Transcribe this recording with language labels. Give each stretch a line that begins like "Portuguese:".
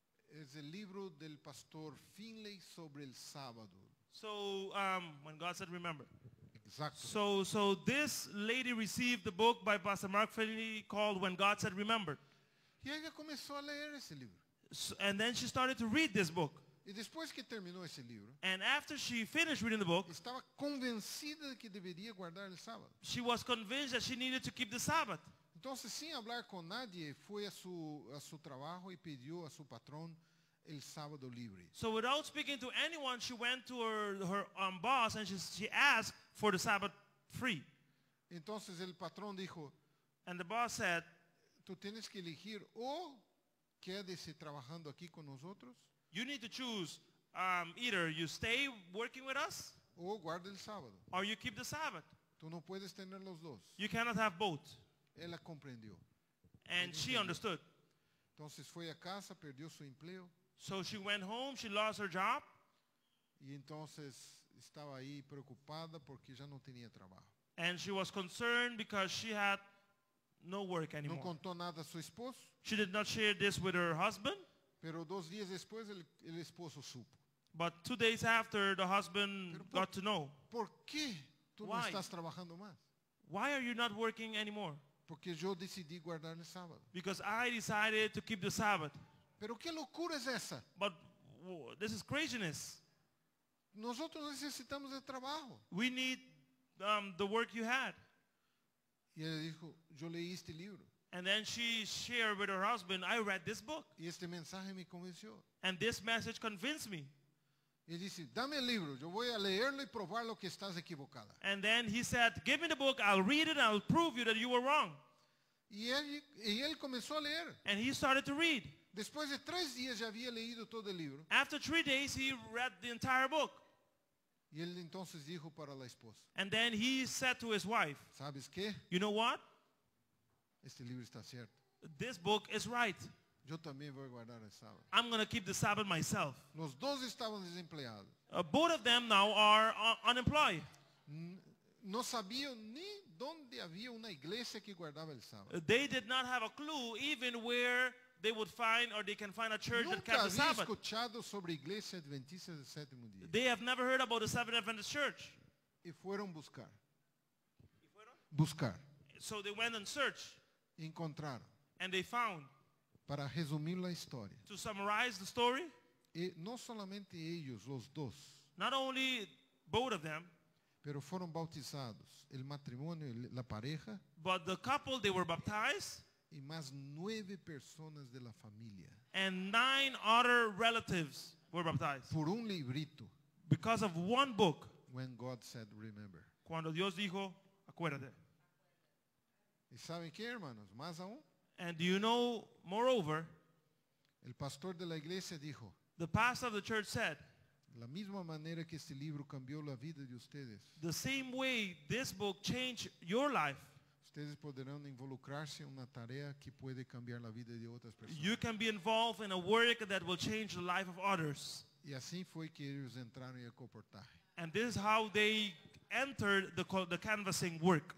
Spanish: Es el libro del pastor Finley sobre el sábado.
English: So when God said remember. Exactly. So this lady received the book by Pastor Mark Finley called When God Said Remember.
Spanish: Y ella comenzó a leer ese libro.
English: So, and then she started to read this book.
Spanish: Y después que terminó ese libro.
English: And after she finished reading the book,
Spanish: estaba convencida de que debería guardar el sábado.
English: She was convinced that she needed to keep the Sabbath.
Portuguese: Então, sem falar com nadie, foi a seu trabalho e pediu a seu patrão o sábado livre.
English: So without speaking to anyone, she went to her boss and she asked for the Sabbath free.
Portuguese: Então, o patrão disse.
English: And the boss said,
Portuguese: tu tens que elegir ou quede-se trabalhando aqui com nós outros.
English: You need to choose either you stay working with us
Portuguese: ou guarda o sábado.
English: Or you keep the Sabbath.
Portuguese: Tu não podes ter os dois.
English: You cannot have both.
Portuguese: Ela compreendeu.
English: And she understood.
Portuguese: Então, foi a casa, perdeu seu emprego.
English: So she went home, she lost her job.
Portuguese: E então, estava aí preocupada porque já não tinha trabalho.
English: And she was concerned because she had no work anymore.
Portuguese: Não contou nada ao seu esposo.
English: She did not share this with her husband.
Portuguese: Pero 2 dias depois, ele esposo supo.
English: But 2 days after, the husband got to know.
Portuguese: Por que tu não estás trabalhando mais?
English: Why are you not working anymore?
Portuguese: Porque eu decidi guardar o sábado.
English: Because I decided to keep the Sabbath.
Portuguese: Pero que loucura é essa?
English: But this is craziness.
Portuguese: Nós outros necessitamos de trabalho.
English: We need the work you had.
Portuguese: E ela disse, eu leí este livro.
English: And then she shared with her husband, I read this book.
Portuguese: E este mensagem me convenceu.
English: And this message convinced me.
Portuguese: E disse, dá-me o livro, eu vou lê-lo e provar
Spanish: lo que estás equivocada.
English: And then he said, give me the book, I'll read it, I'll prove you that you were wrong.
Portuguese: E ele começou a ler.
English: And he started to read.
Portuguese: Depois de 3 dias já havia lido todo o livro.
English: After 3 days he read the entire book.
Portuguese: E ele então disse para a esposa.
English: And then he said to his wife.
Portuguese: Sabes que?
English: You know what?
Portuguese: Este livro está certo.
English: This book is right.
Spanish: Yo también voy a guardar el sábado.
English: I'm going to keep the Sabbath myself.
Spanish: Los dos estaban desempleados.
English: Both of them now are unemployed.
Spanish: No sabían ni dónde había una iglesia que guardaba el sábado.
English: They did not have a clue even where they would find or they can find a church
Spanish: nunca
English: that kept the Sabbath.
Spanish: Nunca había escuchado sobre iglesia adventista del séptimo día.
English: They have never heard about the Seventh Adventist Church.
Spanish: Y fueron buscar. Buscar.
English: So they went in search.
Portuguese: Encontraram.
English: And they found.
Spanish: Para resumir la historia.
English: To summarize the story.
Portuguese: E não somente eles, os dois.
English: Not only both of them.
Portuguese: Pero foram bautizados. O matrimônio, a pareja.
English: But the couple, they were baptized.
Portuguese: E mais 9 pessoas da família.
English: And 9 other relatives were baptized.
Portuguese: Por livrito.
English: Because of one book. When God said, remember.
Spanish: Quando Deus dijo, acuérdate.
Portuguese: E sabem que, irmãos, mais aún.
English: And do you know, moreover,
Spanish: el pastor de la iglesia dijo,
English: the pastor of the church said,
Spanish: la misma manera que este libro cambió la vida de ustedes,
English: the same way this book changed your life,
Spanish: ustedes podrán involucrarse en una tarea que puede cambiar la vida de otras personas.
English: You can be involved in a work that will change the life of others.
Spanish: Y así fue que ellos entraron en el comportaje.
English: And this is how they entered the canvassing work.